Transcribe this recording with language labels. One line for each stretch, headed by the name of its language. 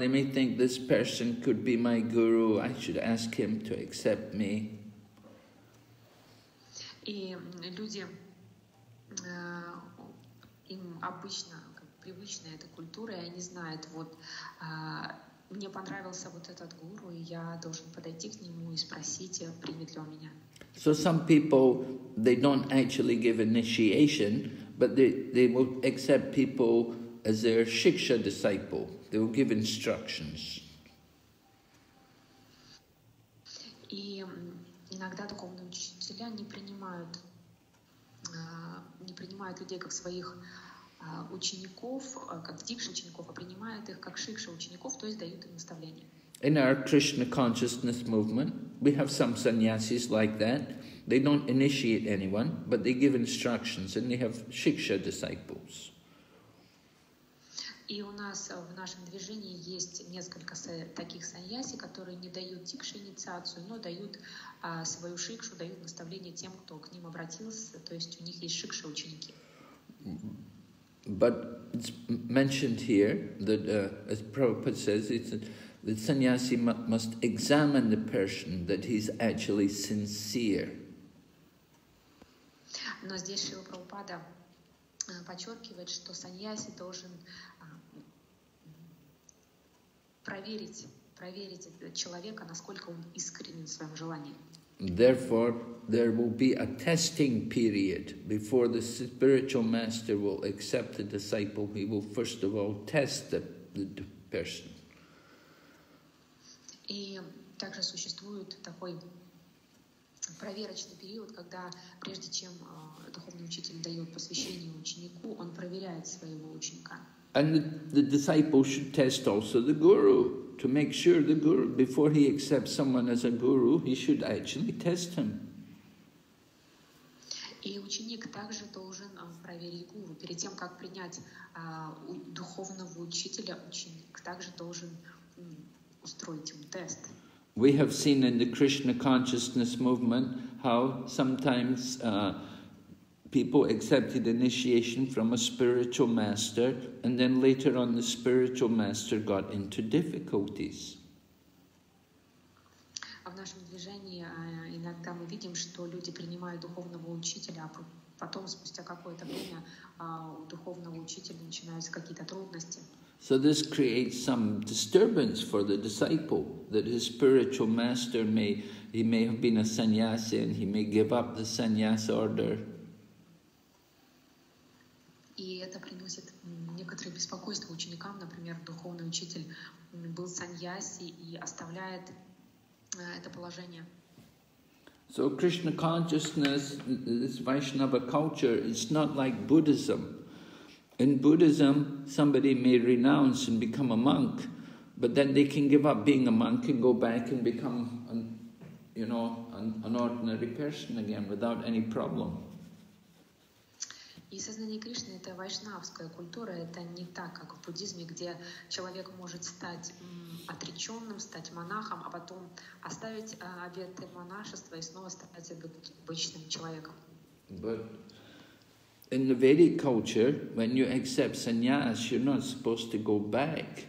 English: They may think this person could be my guru. I should ask him to accept me.
Russian: И люди, им обычно привычна эта культура, и они знают, вот мне понравился вот этот гуру, и я должен подойти к нему и спросить, примет ли он меня.
English: So some people, they don't actually give initiation, but they will accept people as their shiksha disciple. They will give instructions.
Russian: И иногда духовные учителя не принимают людей как своих учеников, как дикши учеников, а принимают их как шикши учеников, то есть дают им наставления.
English: In our Krishna consciousness movement, we have some sannyasis like that. They don't initiate anyone, but they give instructions and they have shiksha disciples.
Russian: И у нас в нашем движении есть несколько таких саньяси, которые не дают дикши инициацию, но дают свою шикшу, дают наставление тем, кто к ним обратился, то есть у них есть шикши ученики.
English: But it's mentioned here that, as Prabhupada says, the sannyasi must examine the person that he's actually sincere.
Russian: Но здесь Шрила Прабхупада подчеркивает, что саньяси должен проверить человека, насколько он искренен в своем желании.
English: Therefore, there will be a testing period before the spiritual master will accept the disciple. He will first of all test the person.
Russian: И также существует такой проверочный период, когда прежде чем духовный учитель дает посвящение ученику, он проверяет своего ученика.
English: And the disciple should test also the guru to make sure the guru, before he accepts someone as a guru, he should actually test him.
Russian: И ученик также должен проверить гуру. Перед тем, как принять духовного учителя, ученик также должен устроить ему тест.
English: We have seen in the Krishna consciousness movement how sometimes people accepted initiation from a spiritual master, and then later on the spiritual master got into difficulties.
Russian: В нашем движении иногда мы видим, что люди принимают духовного учителя, а потом, спустя какое-то время, у духовного учителя начинаются какие-то трудности.
English: So this creates some disturbance for the disciple, that his spiritual master may have been a sannyasi and he may give up the sannyasa order.
Russian: И это приносит некоторые беспокойства ученикам. Например, духовный учитель был саньяси и оставляет это положение.
English: So Krishna consciousness, this Vaishnava culture, it's not like Buddhism. In Buddhism, somebody may renounce and become a monk, but then they can give up being a monk and go back and become, an ordinary person again without any problem.
Russian: И сознание Кришны — это вайшнавская культура, это не так, как в буддизме, где человек может стать отреченным, стать монахом, а потом оставить обеты монашества и снова стать обычным человеком.
English: But in the Vedic culture, when you accept sannyas, you're not supposed to go back.